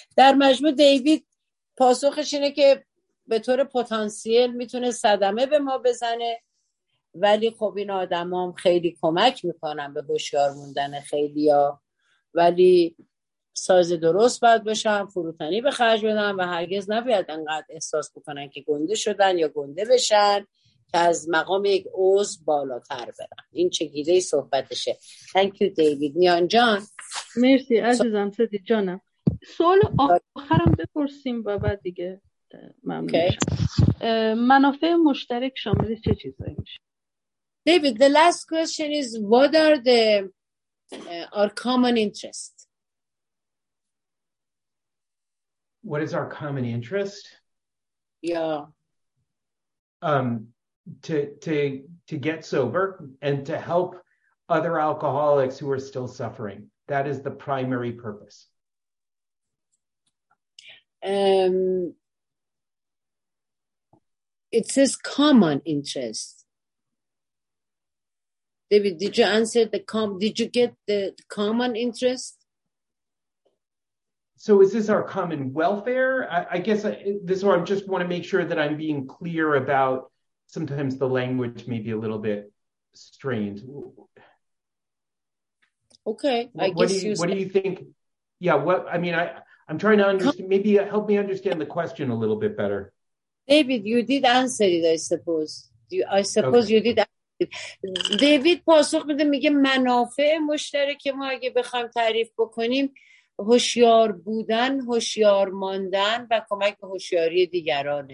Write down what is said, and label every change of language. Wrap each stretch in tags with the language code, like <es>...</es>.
<fa>در مجموع دیوید پاسخش اینه که به طور پتانسیل میتونه صدمه به ما بزنه، ولی خب این آدم هم خیلی کمک میکنن به هوشیار موندن خیلی ها، ولی سایز درست باید بشن، فروتنی به خرج بدن، و هرگز نباید انقدر احساس بکنن که گنده شدن یا گنده بشن که از مقام یک عضو بالاتر برن. این چگیده صحبتشه.</fa> <en>Thank you David.</en> <fa>نیان جان مرسی عزیزم. سدی جانم سوال آخرم بپرسیم و بعد دیگه ممنون.</fa> <en>Okay.</en> <fa>منافع مشترک شامل چه چیزایی میشه؟</fa> <en>David, the last question is what are the our common interests? What is our common interest? Yeah. To get sober and to help other alcoholics who are still suffering. That is the primary purpose. It says common interest. David, did you answer did you get the common interest? So is this our common welfare? I guess this is where I just want to make sure that I'm being clear about, sometimes the language may be a little bit strained. Okay, I'm trying to understand, maybe help me understand the question a little bit better. David, you did answer it, I suppose. I suppose okay. you did that.</en> <fa>David پاسخ میده میگه منافع مشترک ما اگه بخوایم تعریف بکنیم هوشیار بودن، هوشیار ماندن و کمک به هوشیاری دیگرانه.</fa>